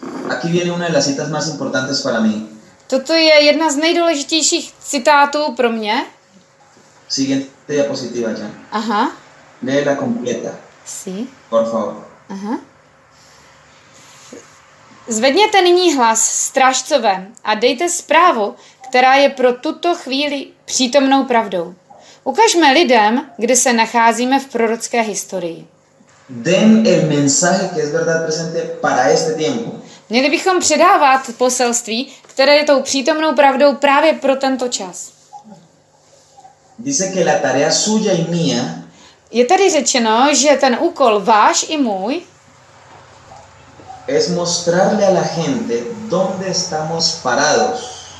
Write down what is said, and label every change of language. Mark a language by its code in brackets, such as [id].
[es] Aquí viene una de las citas más importantes para mí. [cs] Toto je jedna z nejdůležitějších citátů pro mě. [es] Siguiente diapositiva, Jan. Aha. Léela completa. Sí. Por favor. Aha. [cs] Zvedněte nyní hlas, strážcové, a dejte zprávu, která je pro tuto chvíli přítomnou pravdou. Ukažme lidem, kde se nacházíme v prorocké historii. [es] Den el mensaje que es verdad presente para este tiempo. [cs] Měli bychom předávat poselství, které je tou přítomnou pravdou právě pro tento čas. [es] Dice que la tarea suya y mía. [cs] Je tady řečeno, že ten úkol váš i můj [es] es mostrarle a la gente dónde estamos parados.